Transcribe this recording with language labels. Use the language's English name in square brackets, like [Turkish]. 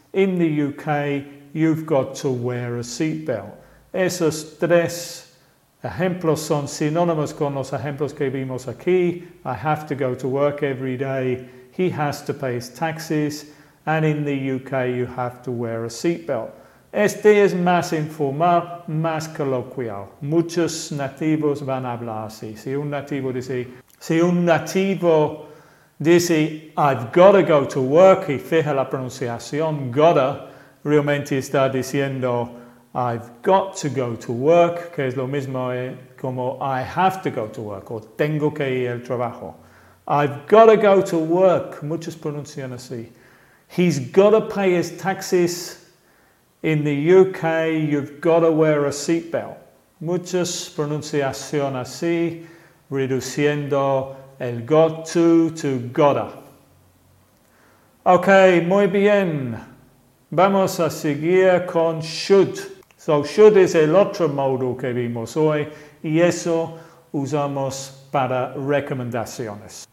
[English] In the UK, you've got to wear a seatbelt. [Spanish] Esos tres ejemplos son sinónimos con los ejemplos que vimos aquí. [English] I have to go to work every day. He has to pay his taxes. And in the UK, you have to wear a seatbelt. [Spanish] Este es más informal, más coloquial. Muchos nativos van a hablar así. Si un nativo dice, [English] I've got to go to work, [Spanish] y fija la pronunciación, gotta, realmente está diciendo, I've got to go to work, que es lo mismo como [English] I have to go to work, [Spanish] o tengo que ir al trabajo. [English] I've got to go to work, [Spanish] muchos pronuncian así. [English] He's got to pay his taxes. In the UK, you've got to wear a seatbelt. [Spanish] Muchos pronunciación así, reduciendo el got to gotta. Okay, muy bien. Vamos a seguir con should. So should es el otro modo que vimos hoy y eso usamos para recomendaciones.